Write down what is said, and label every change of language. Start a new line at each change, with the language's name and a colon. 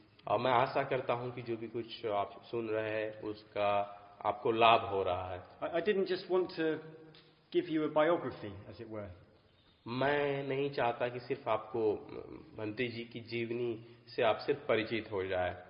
Hindi: और मैं आशा करता हूँ कि जो भी कुछ आप सुन रहे हैं उसका आपको लाभ हो रहा है.
English: I didn't just want to give you a biography, as it were.
Hindi: मैं नहीं चाहता कि सिर्फ आपको भंते जी की जीवनी से आप सिर्फ परिचित हो जाए.